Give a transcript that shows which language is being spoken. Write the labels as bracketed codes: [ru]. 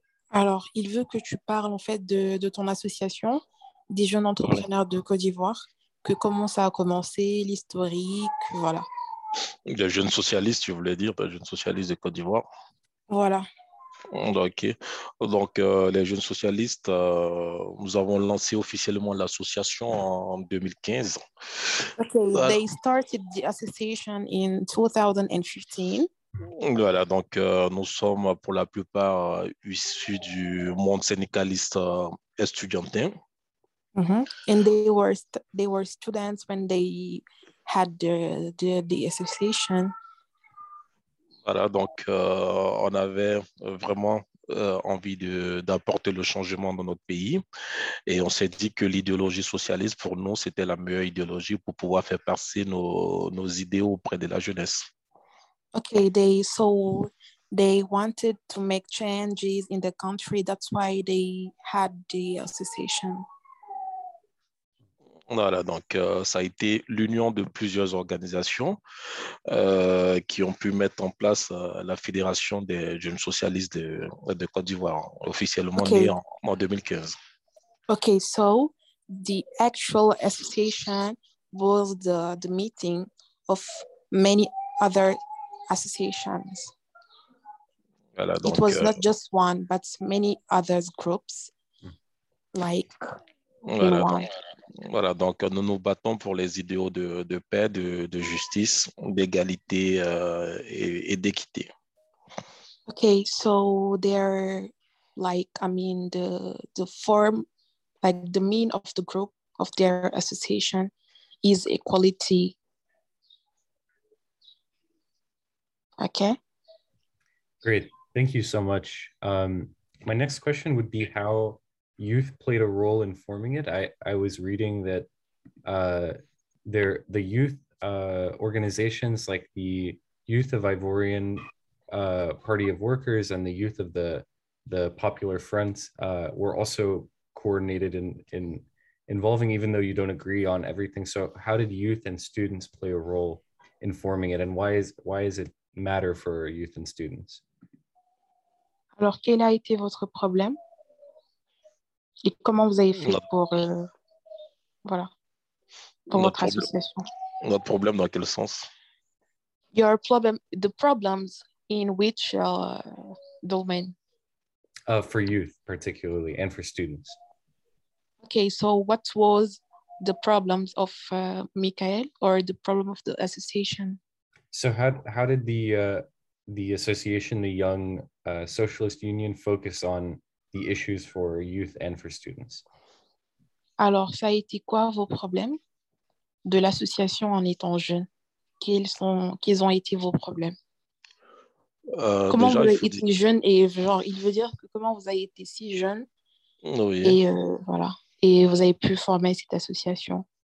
[fr] Alors, il veut que tu parles en fait de ton association, des jeunes entrepreneurs de Côte d'Ivoire, que comment ça a commencé, l'historique, voilà. Les jeunes socialistes, je voulais dire, les jeunes socialistes de Côte d'Ivoire. Voilà. Ok. Donc, les jeunes socialistes, nous avons lancé officiellement l'association en 2015. [en] Ok, they started the association in 2015. [fr] Voilà, donc nous sommes pour la plupart issus du monde syndicaliste estudiantin. Mm-hmm. [en] And they were students when they had the association. [fr] Voilà, donc on avait vraiment envie d'apporter le changement dans notre pays et on s'est dit que l'idéologie socialiste pour nous c'était la meilleure idéologie pour pouvoir faire passer nos idéaux auprès de la jeunesse. [en] Okay, they wanted to make changes in the country. That's why they had the association. [fr] Voilà, donc ça a été l'union de plusieurs organisations qui ont pu mettre en place la Fédération des jeunes socialistes de Côte d'Ivoire, officiellement née en 2015. [en] Okay, so the actual association was the meeting of many other associations. [fr] Voilà, donc, [en] it was not just one, but many other groups, like [fr] voilà, donc nous nous battons pour les idéaux de paix, de justice, d'égalité et d'équité. [en] Okay, so they're like, I mean, the form, like the mean of the group of their association is equality. Okay. Great. Thank you so much. My next question would be how youth played a role in forming it. I was reading that the youth organizations like the Youth of Ivorian Party of Workers and the Youth of the Popular Front were also coordinated in involving, even though you don't agree on everything. So how did youth and students play a role in forming it, and why is it matter for youth and students? [fr] Alors, quel a été votre problème? Et comment vous avez fait pour votre association? Notre problème dans quel sens? [en] Your problem, the problems in which domain? For youth, particularly, and for students. Okay, so what was the problems of Mikael, or the problem of the association? So how did the association, the Young Socialist Union, focus on the issues for youth and for students? [fr] Alors, ça a été quoi vos problèmes de l'association en étant jeune? Quels ont été vos problèmes? Comment déjà, vous avez été jeune, et genre, il veut dire que comment vous avez été si jeune, oui. Et voilà, et vous avez pu former cette association?